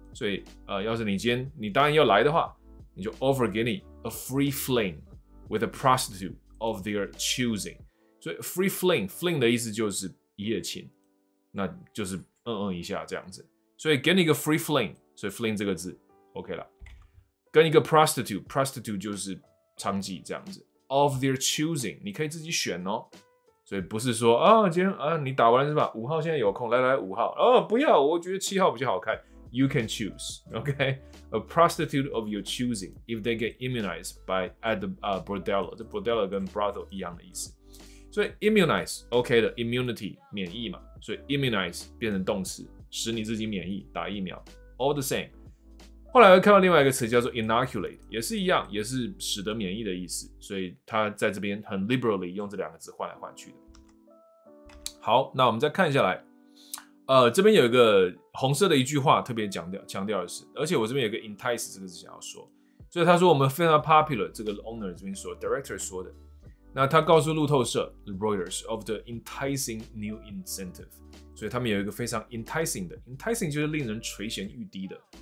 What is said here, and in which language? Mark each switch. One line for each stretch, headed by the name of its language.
Chinese: 所以要是你今天你答应要来的话，你就 offer 给你
English: a free fling with a prostitute of their choosing。
Chinese: 所以 free fling 的意思就是一夜情，那就是一下这样子。所以给你一个 free fling， 所以 fling 这个字 OK 了。跟一个 prostitute 就是娼妓这样子。
English: Of their choosing，
Chinese: 你可以自己选哦，所以不是说啊、哦，今天啊、你打完是吧？五号现在有空，来五号哦，不要，我觉得七号比较好看。
English: You can choose， OK？ A prostitute of your choosing， if they get immunized by at the bordello，
Chinese: 这 bordello 跟 brothel 一样的意思，所以 immunize OK 的 immunity 免疫嘛，所以 immunize 变成动词，使你自己免疫，打疫苗。
English: All the same。
Chinese: 后来又看到另外一个词叫做 inoculate， 也是一样，也是使得免疫的意思，所以他在这边很 liberally 用这两个字换来换去的。好，那我们再看下来，这边有一个红色的一句话特别强调的是，而且我这边有一个 entice 这个字想要说，所以他说我们非常 popular， 这个 owner 这边说 director 说的，那他告诉路透社
English: Reuters of the enticing new incentive，
Chinese: 所以他们有一个非常 enticing 就是令人垂涎欲滴的。